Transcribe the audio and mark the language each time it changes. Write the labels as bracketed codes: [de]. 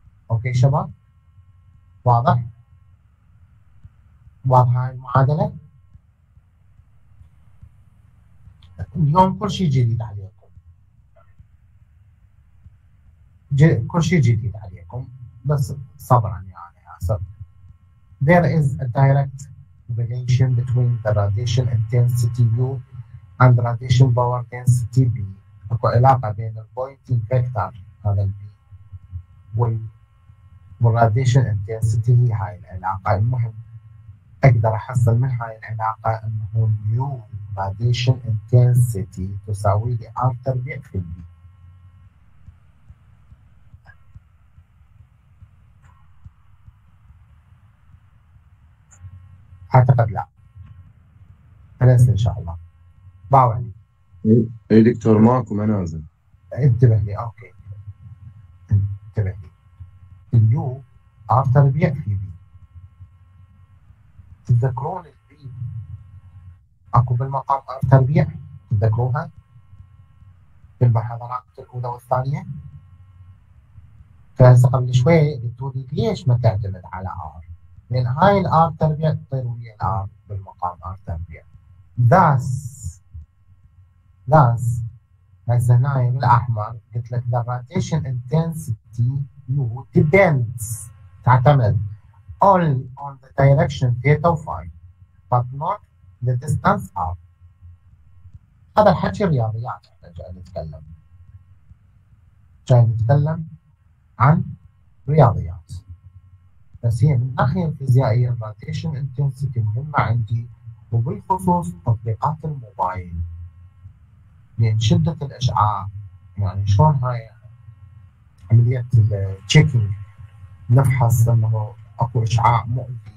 [ar] اوكي شباب واضح؟ واضح هاي المعادلة؟ اليوم كل شيء جديد عليكم. كل شيء جديد عليكم بس صبرا يعني اسف. [en] There is a direct relation between the radiation intensity U and radiation power density B. [ar] اكو علاقة بين الـ pointing vector هذا الـ B والراديشن انتنسيتي. هي هاي العلاقة. المهم اقدر احصل من هاي العلاقة انه نيو راديشن انتنسيتي تساوي لي ار تربيع في البي. اعتقد لا بس ان شاء الله باو علي. اي دكتور ماكو منازل. انتبه لي. اوكي انتبه لي. اليو ار تربيع في بي. تتذكرون البي اكو بالمقام ار تربيع؟ تتذكروها؟ بالمحاضرات الاولى والثانيه؟ فهسه قبل شوي قلتوا لي ليش ما تعتمد على ار؟ لان هاي الار تربيع تطير ويا الار بالمقام ار تربيع. ذاس هسه هنا بالاحمر قلت لك [en] the radiation intensity U depends [ar] تعتمد [en] all on the direction theta phi but not the distance r. [ar] هذا الحكي رياضيات احنا جاي نتكلم. جاي نتكلم عن رياضيات. بس هي من الناحية الفيزيائية الراديشن انتنسيتي مهمة عندي، وبالخصوص تطبيقات الموبايل لأن شدة الإشعاع، يعني شلون هاي عملية التشيكينج نفحص أنه أكو إشعاع مؤذي.